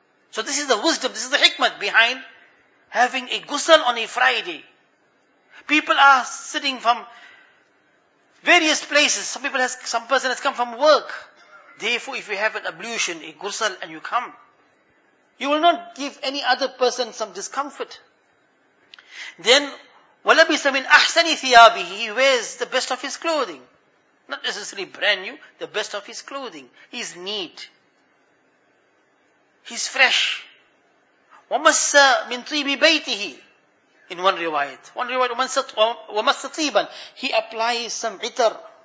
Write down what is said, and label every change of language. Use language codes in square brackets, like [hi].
[en] So this is the wisdom, this is the hikmat behind having a ghusl on a Friday. People are sitting from various places. Some person has come from work. Therefore, if you have an ablution, a ghusl, and you come, you will not give any other person some discomfort. [ar] Then, وَلَبِسَ مِنْ أَحْسَنِ ثِيَابِهِ. [en] He wears the best of his clothing. Not necessarily brand new, the best of his clothing. He's neat. He's fresh. [ar] وَمَسَّ مِنْ طِيبِ بَيْتِهِ. [en] In one riwayat. One riwayat, [ar] وَمَسَّ طِيبًا. [en] He applies some itar.